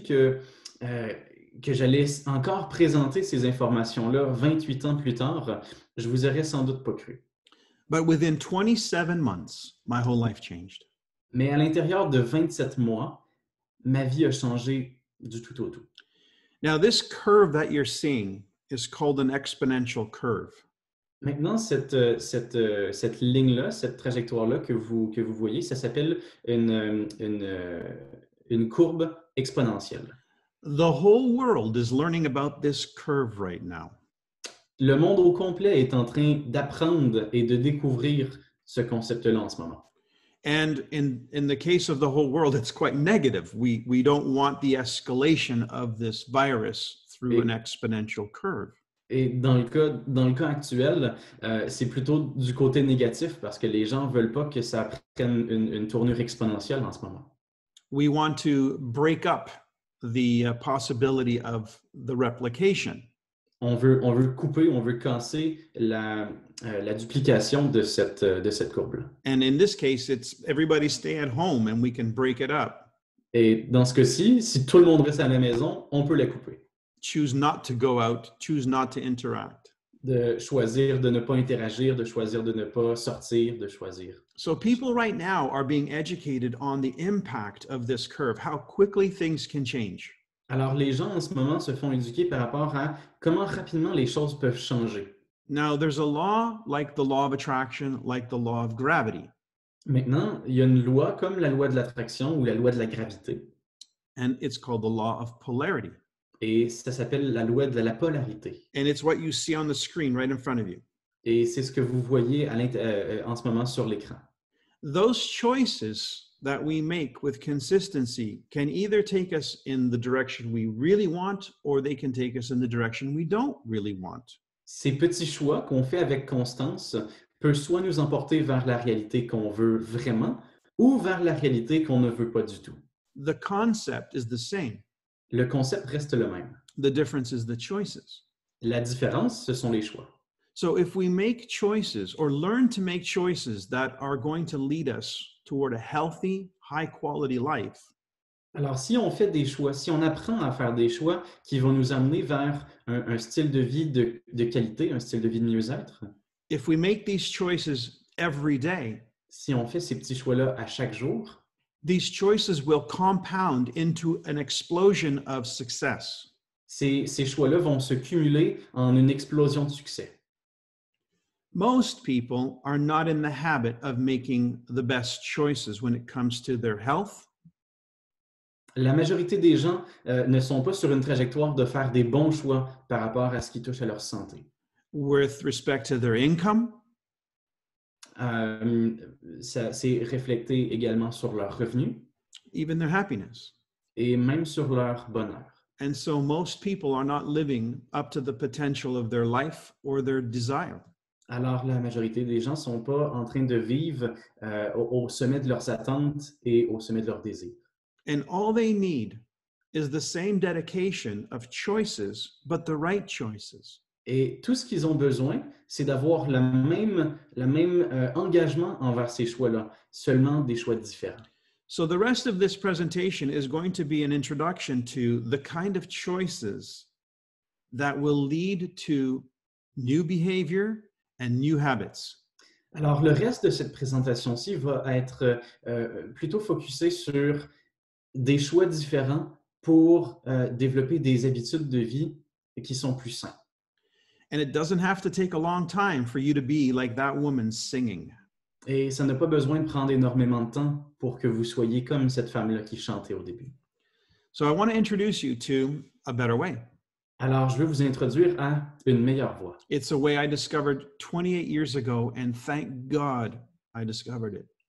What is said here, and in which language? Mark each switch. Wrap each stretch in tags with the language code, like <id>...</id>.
<fr>Si vous m'aviez dit que j'allais encore présenter ces informations-là 28 ans plus tard, je vous aurais sans doute pas cru.</fr> <en>But within 27 months, my whole life changed.</en> <fr>Mais à l'intérieur de 27 mois, ma vie a changé du tout au tout.</fr> <en>Now, this curve that you're seeing is called an exponential curve.</en> <fr>Maintenant, cette ligne-là, cette trajectoire-là que vous voyez, ça s'appelle une courbe exponentielle.</fr> <en>The whole world is learning about this curve right now.</en> <fr>Le monde au complet est en train d'apprendre et de découvrir ce concept-là en ce moment.</fr> <en>And in the case of the whole world, it's quite negative. We don't want the escalation of this virus through an exponential curve.</en> <fr>Et dans le cas actuel, c'est plutôt du côté négatif parce que les gens veulent pas que ça prenne une tournure exponentielle en ce moment.</fr> <en>We want to break up the possibility of the replication.</en> <fr>On veut couper, on veut casser la duplication de cette courbe.</fr> <en>And in this case, it's everybody stay at home and we can break it up.</en> <fr>Et dans ce cas-ci, si tout le monde reste à la maison, on peut la couper.</fr> <en>Choose not to go out, choose not to interact.</en> <fr>De choisir de ne pas interagir, de choisir de ne pas sortir, de choisir.</fr> <en>So people right now are being educated on the impact of this curve, how quickly things can change.</en> <fr>Alors les gens en ce moment se font éduquer par rapport à comment rapidement les choses peuvent changer.</fr> <en>Now there's a law like the law of attraction, like the law of gravity.</en> <fr>Maintenant, il y a une loi comme la loi de l'attraction ou la loi de la gravité.</fr> <en>And it's called the law of polarity.</en> <fr>Et ça s'appelle la loi de la polarité.</fr> <en>And it's what you see on the screen right in front of you.</en> <fr>Et c'est ce que vous voyez en ce moment sur l'écran.</fr> <en>Those choices that we make with consistency can either take us in the direction we really want or they can take us in the direction we don't really want.</en> <fr>Ces petits choix qu'on fait avec constance peuvent soit nous emporter vers la réalité qu'on veut vraiment ou vers la réalité qu'on ne veut pas du tout.</fr> <en>The concept is the same.</en> <fr>Le concept reste le même.</fr> <en>The difference is the choices.</en> <fr>La différence, ce sont les choix.</fr> <en>So if we make choices or learn to make choices that are going to lead us toward a healthy, high quality life.</en> <fr>Alors si on fait des choix, si on apprend à faire des choix qui vont nous amener vers un style de vie de qualité, un style de vie de mieux-être.</fr> <en>If we make these choices every day,</en> <fr>si on fait ces petits choix-là à chaque jour,</fr> <en>these choices will compound into an explosion of success.</en> <fr>Ces choix-là vont se cumuler en une explosion de succès.</fr> <en>Most people are not in the habit of making the best choices when it comes to their health.</en> <fr>La majorité des gens ne sont pas sur une trajectoire de faire des bons choix par rapport à ce qui touche à leur santé.</fr> <en>With respect to their income.</en> <fr>Ça s'est reflété également sur leurs revenus.</fr> <en>Even their happiness.</en> <fr>Et même sur leur bonheur.</fr> <en>And so most people are not living up to the potential of their life or their desire.</en> <fr>Alors, la majorité des gens ne sont pas en train de vivre au sommet de leurs attentes et au sommet de leurs désirs.</fr> <en>And all they need is the same dedication of choices, but the right choices.</en> <fr>Et tout ce qu'ils ont besoin, c'est d'avoir la même engagement envers ces choix-là, seulement des choix différents.</fr> <en>So the rest of this presentation is going to be an introduction to the kind of choices that will lead to new behavior and new habits.</en> <fr>Alors le reste de cette présentation-ci va être plutôt focusé sur des choix différents pour développer des habitudes de vie qui sont plus saines.</fr> <en>And it doesn't have to take a long time for you to be like that woman singing.</en> <fr>Et ça n'a pas besoin de prendre énormément de temps pour que vous soyez comme cette femme-là qui chantait au début.</fr> <en>So I want to introduce you to a better way.</en> <fr>Alors, je veux vous introduire à une meilleure voie.</fr> <en>It's a way I discovered 28 years ago, and thank God I discovered it.</en>